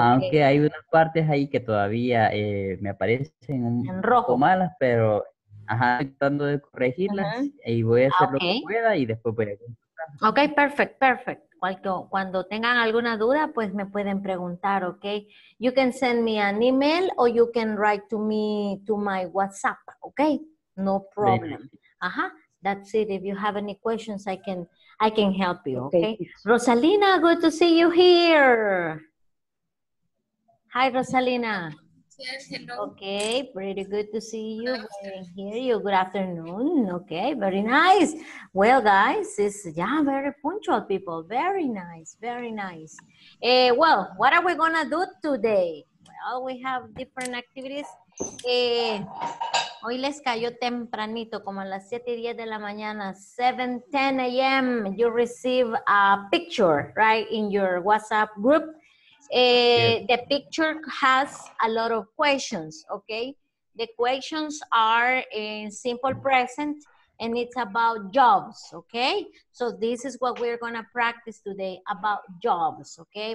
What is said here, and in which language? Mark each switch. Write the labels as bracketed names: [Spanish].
[Spanish] Aunque hay unas partes ahí que todavía me aparecen un en rojo. Poco malas, pero ajá, tratando de corregirlas y voy a hacer lo que pueda y después voy a consultar. [English] Ok, perfect, perfect. [Spanish] Cuando tengan alguna duda, pues me pueden preguntar, ok. [English] You can send me an email or you can write to me to my WhatsApp, ok. No problem. Ajá, that's it. If you have any questions, I can help you, ok. Rosalina, good to see you here. Hi, Rosalina. Yes, hello. Okay, pretty good to see you. I hear you. Good afternoon. Okay, very nice. Well, guys, it's yeah, very punctual people. Very nice, very nice. Well, what are we gonna do today? Well, we have different activities. [Spanish] Hoy les cayó tempranito, como a las 7:10 de la mañana, 7:10 a.m. [English] You receive a picture, right, in your WhatsApp group. The picture has a lot of questions, okay? The questions are in simple present, and it's about jobs, okay? So this is what we're going to practice today, about jobs, okay?